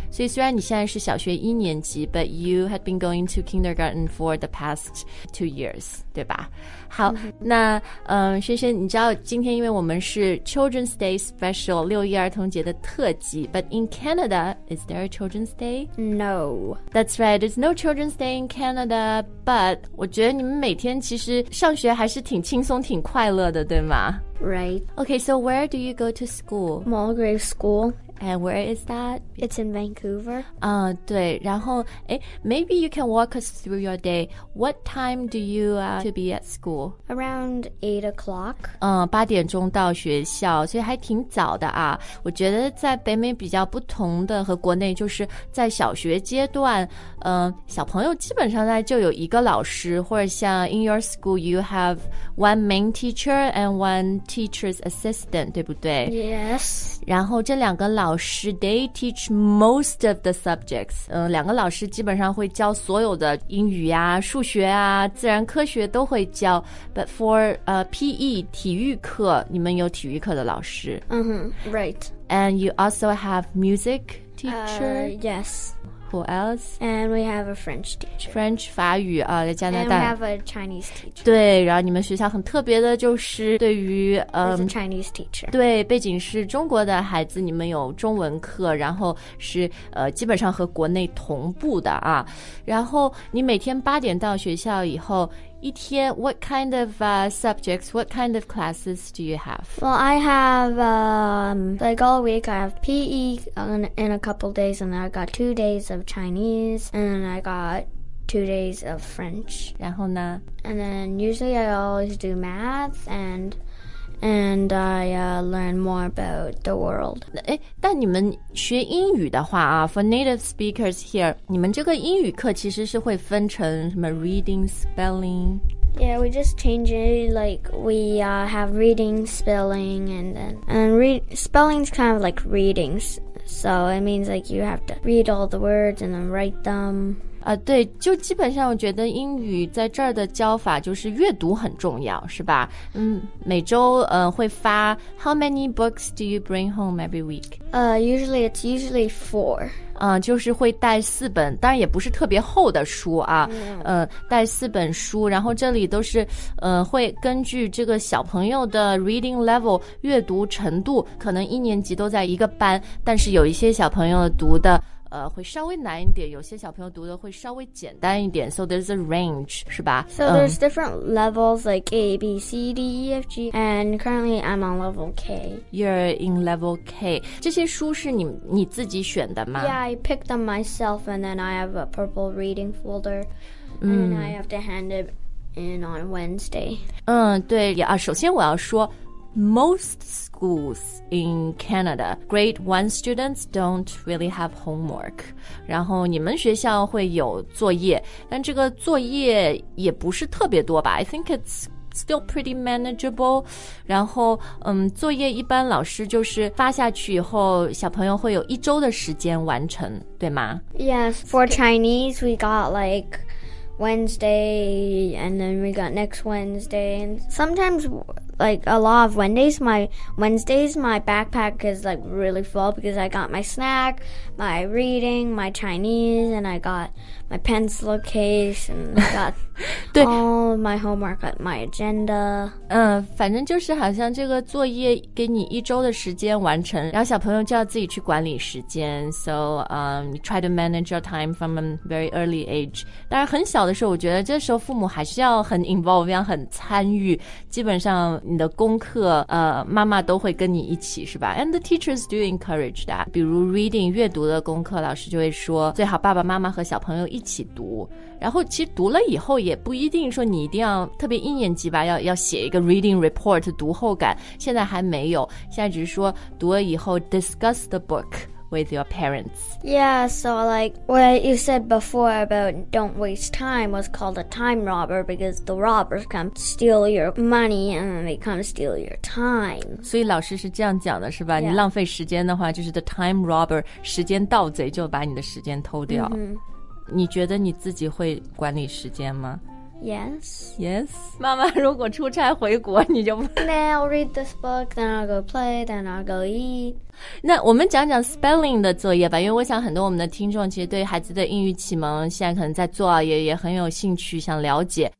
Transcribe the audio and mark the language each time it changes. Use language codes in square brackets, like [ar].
[zh] 所以虽然你现在是小学一年级。 [en] But you had been going to kindergarten for the past 2 years, [zh] 对吧？好、mm-hmm. 那萱萱你知道今天因为我们是 [en] Children's Day Special, [zh] 六一儿童节的特辑 [en] But in Canada, is there a Children's Day? No. That's right, there's no Children's Day in Canada, but [zh] 我觉得你们每天其实上学还是挺轻松挺快乐的对吗 [en] Right. Okay, so where do you go to school? Mulgrave School. And where is that? It's in Vancouver. [zh] 对，然后，诶, [en] maybe you can walk us through your day. What time do you to be at school? Around 8 o'clock. [zh] 八点钟到学校，所以还挺早的啊。我觉得在北美比较不同的和国内就是在小学阶段，小朋友基本上在就有一个老师，或者像 [en] in your school you have one main teacher and one teacher's assistant, [zh] 对不对？ [en] Yes. [zh] 然后这两个老师 [en] they teach most of the subjects. [zh] 两个老师基本上会教所有的英语啊、数学啊、自然科学都会教。 [en] But for PE [zh] 体育课，你们有体育课的老师。 [en] Mm-hmm, right. And you also have music teacher. Yes. Who else? And we have a French teacher. [zh] French 法语啊，在加拿大。 [en] And we have a Chinese teacher. [zh] 对，然后你们学校很特别的就是对于 [en] a Chinese teacher. [zh] 对，背景是中国的孩子，你们有中文课，然后是基本上和国内同步的啊。然后你每天八点到学校以后。一天 [en] what kind of subjects, what kind of classes do you have? Well, I have, like all week, I have PE in a couple days, and then I got 2 days of Chinese, and then I got 2 days of French. [zh] 然后呢? [en] And then usually I always do math, and I learn more about the world. [zh] 诶,但你们学英语的话啊, [en] for native speakers here, [zh] 你们这个英语课其实是会分成什么 [en] reading, spelling? Yeah, we just change it, like we have reading, spelling, spelling's kind of like reading, so it means like you have to read all the words and then write them. [zh] 对，就基本上我觉得英语在这儿的教法就是阅读很重要，是吧？每周会发 [en] How many books do you bring home every week? Usually it's 4. [zh] 就是会带四本，当然也不是特别厚的书啊。带四本书，然后这里都是会根据这个小朋友的 reading level 阅读程度，可能一年级都在一个班，但是有一些小朋友读的。会稍微难一点，有些小朋友读的会稍微简单一点。 [en] So there's a range, [zh] 是吧 [en] ？So there's different levels like A, B, C, D, E, F, G, and currently I'm on level K. You're in level K. [zh] 这些书是你自己选的吗 [en] ？Yeah, I picked them myself, and then I have a purple reading folder, and I have to hand it in on Wednesday. [zh] 对啊，首先我要说。 [en] Most schools in Canada, grade 1 students don't really have homework. [zh] 然后你们学校会有作业，但这个作业也不是特别多吧。 [en] I think it's still pretty manageable. [zh] 然后作业一般老师就是发下去以后，小朋友会有一周的时间完成，对吗？ [en] Yes, for Chinese, we got like... Wednesday, and then we got next Wednesday, and sometimes like a lot of Wednesdays. My Wednesdays, my backpack is like really full because I got my snack, my reading, my Chinese, and I got my pencil case, and I got [zh] 对 [en] all of my homework, my agenda. [zh] 反正就是好像这个作业给你一周的时间完成，然后小朋友就要自己去管理时间。 [en] So, you try to manage your time from a very early age. [zh] 当然很小的时候，我觉得这时候父母还是要很 involve， 要很参与。基本上你的功课，妈妈都会跟你一起，是吧？ [en] And the teachers do encourage that. [zh] 比如 reading 阅读的功课，老师就会说最好爸爸妈妈和小朋友一起读。然后其实读了以后也不一定说你一定要特别一年级吧，要写一个 reading report 读后感，现在还没有，现在只是说读了以后 [en] discuss the book with your parents. Yeah, so like what you said before about don't waste time was called a time robber because the robbers come steal your money and they come steal your time. [zh] 所以老师是这样讲的是吧、 [en] yeah. [zh] 你浪费时间的话就是 [en] the time robber， [zh] 时间盗贼就把你的时间偷掉、 mm-hmm. 你觉得你自己会管理时间吗？ [en] Yes. Yes. [zh] 妈妈如果出差回国你就不 [en] Then I'll read this book, then I'll go play, then I'll go eat. [zh] 那我们讲讲 spelling 的作业吧，因为我想很多我们的听众其实对孩子的英语启蒙现在可能在做也很有兴趣想了解。